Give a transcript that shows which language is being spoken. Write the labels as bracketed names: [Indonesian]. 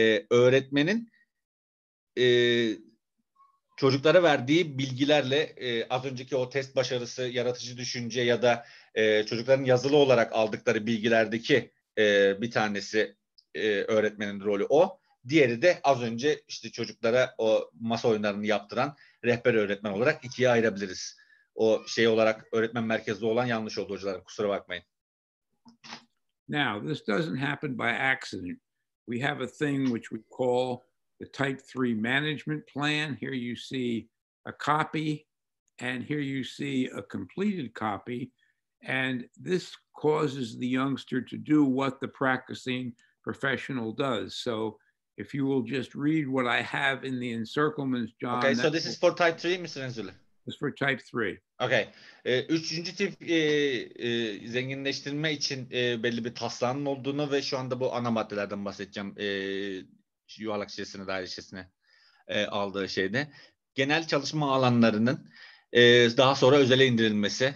[Turkish] Öğretmenin çocuklara verdiği bilgilerle az önceki o test başarısı, yaratıcı düşünce ya da çocukların yazılı olarak aldıkları bilgilerdeki bir tanesi öğretmenin rolü o. Diğeri de az önce işte çocuklara o masa oyunlarını yaptıran rehber öğretmen olarak ikiye ayırabiliriz. O şey olarak öğretmen merkezli olan yanlış oldu hocalarım, kusura bakmayın. [English] Now, this doesn't happen by accident. We have a thing which we call the type 3 management plan. Here you see a copy and here you see a completed copy. And this causes the youngster to do what the practicing professional does. So if you will just read what I have in the encirclements, John. Okay, so this is for type 3, Mr. Enzuli. It's for type 3. Okay. [Turkish] Üçüncü tip zenginleştirme için belli bir taslağının olduğunu ve şu anda bu ana maddelerden bahsedeceğim. Yuvarlak şişesine, daire şişesine aldığı şeyde. Genel çalışma alanlarının daha sonra özele indirilmesi.